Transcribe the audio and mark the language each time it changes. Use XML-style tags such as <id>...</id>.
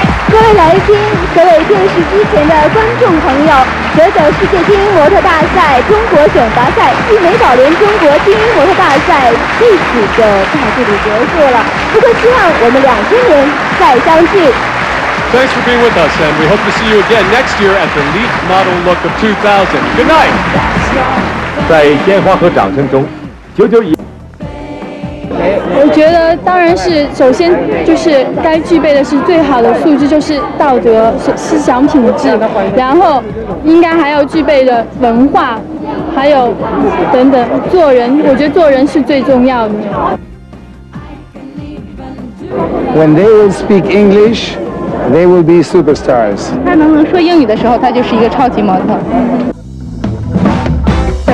<zh>各位来宾，各位电视机前的观众朋友，99世界精英模特大赛中国选拔赛暨美宝莲中国精英模特大赛至此就到这里结束了，不过希望我们2000年再相聚。</zh> <en>Thanks for being with us, and we hope to see you again next year at the Leap Model Look of 2000. Good night!</en> <zh>在鲜花和掌声中，九九以我觉得当然是首先就是该具备的是最好的素质，就是道德思想品质，然后应该还要具备的文化还有等等做人，我觉得做人是最重要的。</zh> <en>When they will speak English they will be superstars.</en> <zh>他能不能说英语的时候他就是一个超级模特。</zh>